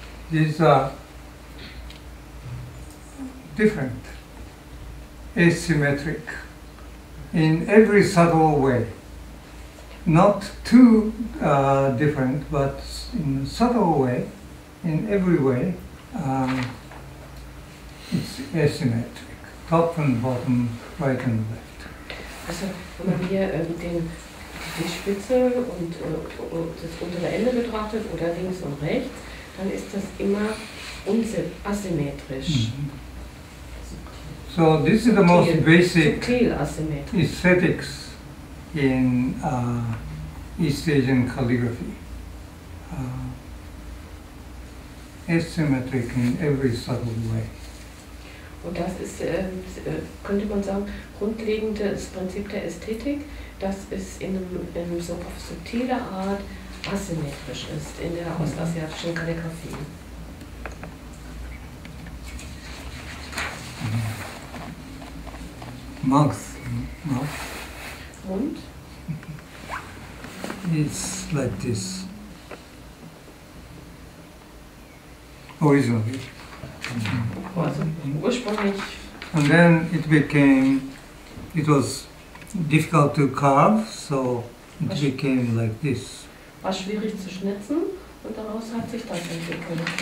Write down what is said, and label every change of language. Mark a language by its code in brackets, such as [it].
[en] These are different, asymmetric, in every subtle way. Not too different, but in a subtle way, in every way, it's asymmetric. Top and bottom, right and left. [de] Also, wenn man hier die Spitze und das untere Ende betrachtet, oder links und rechts, dann ist das immer asymmetrisch. Mm-hmm. [en] So, this is the most basic aesthetics in East Asian calligraphy. Asymmetric in every subtle way. [de] Und das ist, könnte man sagen, grundlegendes Prinzip der Ästhetik, dass es in so auf subtiler Art asymmetrisch ist in der ostasiatischen Kalligraphie. [en] Mouth, no? [de] Mund? [en] It's like this. Originally. Mm-hmm. And then it was difficult to carve, so it became like this. [de] War schwierig zu schnitzen und daraus hat sich das entwickelt.